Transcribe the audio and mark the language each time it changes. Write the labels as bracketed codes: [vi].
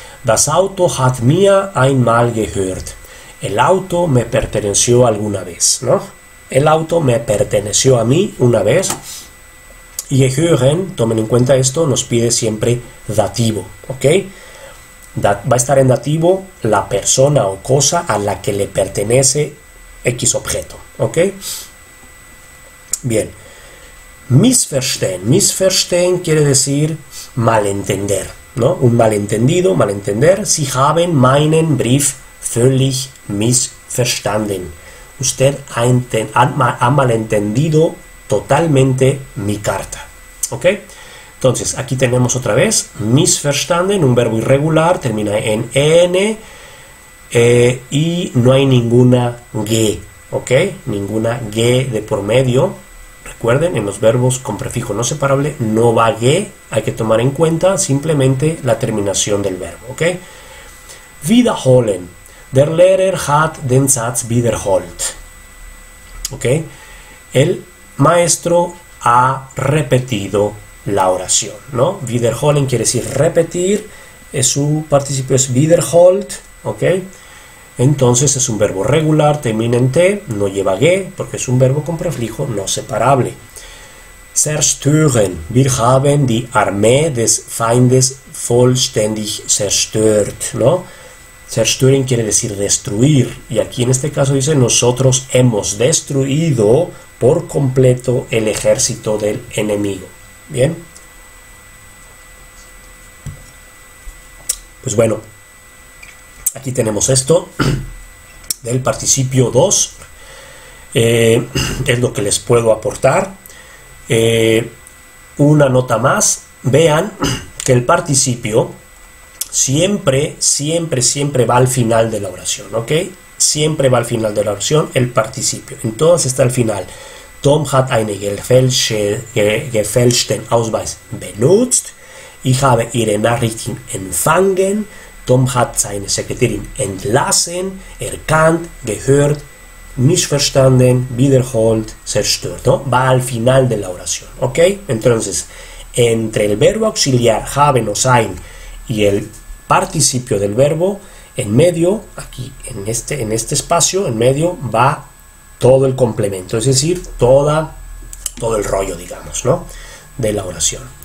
[de] Das Auto hat mir einmal gehört. [es] El auto me perteneció alguna vez, ¿no? El auto me perteneció a mí una vez. Y gehören, tomen en cuenta esto, nos pide siempre dativo, ¿ok? Va a estar en dativo la persona o cosa a la que le pertenece X objeto, ¿ok? Bien. Missverstehen. Missverstehen quiere decir malentender, ¿no? Un malentendido, malentender. [de] Sie haben meinen Brief völlig missverstanden. [es] Usted ha malentendido totalmente mi carta. ¿Ok? Entonces, aquí tenemos otra vez, missverstanden, un verbo irregular, termina en en, y no hay ninguna ge, ¿ok? Ninguna ge de por medio. Recuerden, en los verbos con prefijo no separable, no va ge, hay que tomar en cuenta simplemente la terminación del verbo, ¿ok? [de] Wiederholen, der Lehrer hat den Satz wiederholt. [es] ¿Ok? El maestro ha repetido la oración, ¿no? Wiederholen quiere decir repetir, su participio es wiederholt, ¿ok? Entonces es un verbo regular, termina en T, no lleva G, porque es un verbo con prefijo no separable. [de] Zerstören, wir haben die Armee des Feindes vollständig zerstört, ¿no? [es] Zerstören quiere decir destruir, y aquí en este caso dice, nosotros hemos destruido por completo el ejército del enemigo. Bien. Pues bueno, aquí tenemos esto del participio 2. Es lo que les puedo aportar. Una nota más. Vean que el participio siempre, siempre, siempre va al final de la oración. ¿Ok? Siempre va al final de la oración el participio. Entonces está al final. [de] Tom hat einen gefälschten Ausweis benutzt. Ich habe ihre Nachrichten empfangen. Tom hat seine Sekretärin entlassen. Erkannt, gehört, Missverstanden, wiederholt, zerstört, ¿no? [es] Va al final de la oración, ¿ok? Entonces, entre el verbo auxiliar, haben o sein, y el participio del verbo, en medio, aquí, en este espacio, en medio, va todo el complemento, es decir, todo el rollo, digamos, ¿no? De la oración.